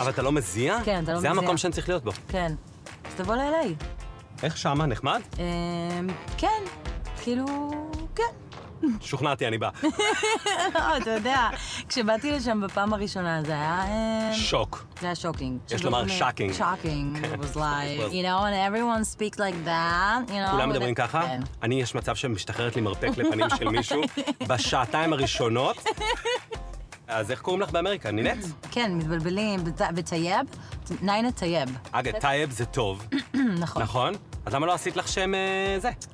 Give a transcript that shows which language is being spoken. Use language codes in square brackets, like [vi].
[he] אבל אתה לא מזיע? כן, אתה לא מזיע. זה המקום שאני צריך להיות בו. כן. אז תבוא לאליי. איך שמה, נחמד? כן. כאילו... כן. שוכנעתי, אני בא. לא, אתה יודע, כשבאתי לשם בפעם הראשונה, זה היה... שוק. זה היה שוקינג. יש לומר שוקינג. שוקינג. [en] It was like, you know, and everyone speaks like that, you know. [he] כולם מדברים ככה? אני, יש מצב שמשתחררת לי מרפק לפנים של מישהו בשעתיים הראשונות. אז איך קוראים לך באמריקה? נינת? כן, מתבלבלים. בטייב? ניינה טייב. אגב, טייב זה טוב. נכון. נכון? אז למה לא עשית לך שם זה?